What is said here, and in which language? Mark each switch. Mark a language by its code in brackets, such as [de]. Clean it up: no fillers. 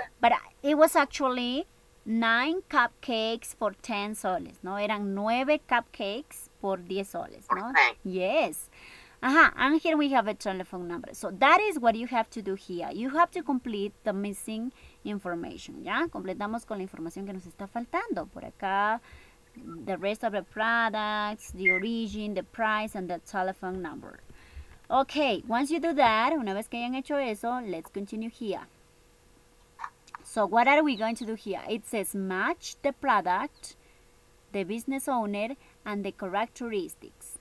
[en] But it was actually 9 cupcakes for 10 soles, ¿no? [es] Eran 9 cupcakes por 10 soles, ¿no? Yes. Ajá. [en] And here we have a telephone number. So that is what you have to do here. You have to complete the missing information, ¿ya? [es] Completamos con la información que nos está faltando por acá. [en] The rest of the products, the origin, the price, and the telephone number. Okay, once you do that, [es] una vez que hayan hecho eso, [en] let's continue here. So, what are we going to do here? It says match the product, the business owner, and the characteristics.